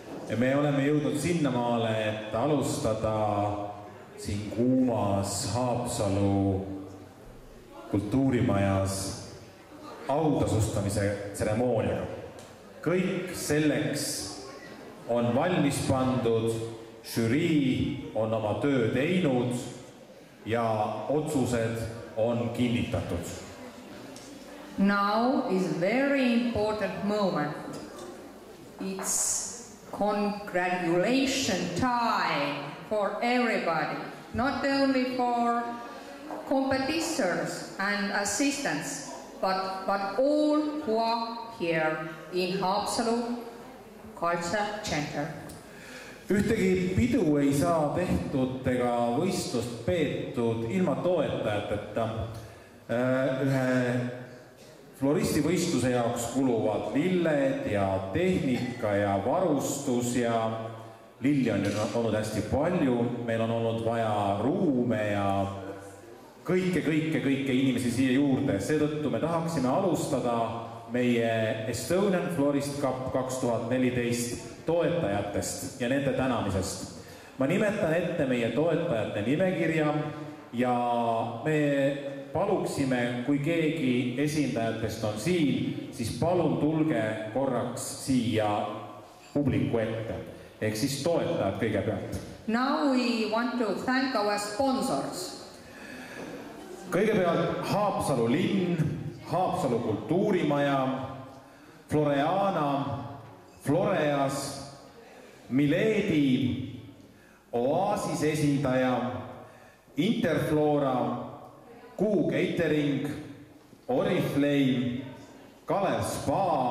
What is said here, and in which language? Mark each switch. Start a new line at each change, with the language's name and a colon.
Estonian: Ja me oleme jõudnud sinna maale, et alustada siin kuumas Haapsalu kultuurimajas autasustamise tseremoonia. Kõik selleks on valmis pandud, žürii on oma töö teinud ja otsused on kinnitatud.
English: Now is a very important moment. It's congratulation time for everybody, not only for competitors and assistants, but all who are here in Haapsalu Culture Center.
Estonian: Ühtegi pidu ei saa tehtud ega võistlust peetud ilma toetajateta. Ühe floristi võistluse jaoks kuluvad lilled ja tehnika ja varustus ja lilli on olnud hästi palju. Meil on olnud vaja ruume ja kõike inimesi siia juurde. Seetõttu me tahaksime alustada meie Estonian Florist Cup 2014 toetajatest ja nende tänamisest. Ma nimetan ette meie toetajate nimekirja ja me paluksime, kui keegi esindajatest on siin, siis palun tulge korraks siia publiku ette. Ehk siis toetajad kõigepealt.
English: Now we want to thank our sponsors.
Estonian: Kõigepealt Haapsalu linn, Haapsalu kultuurimaja, Floreana, Floreas, Miledi, Oasis esindaja, Interflora, Kuu Catering, Oriflame, Kalev Spa,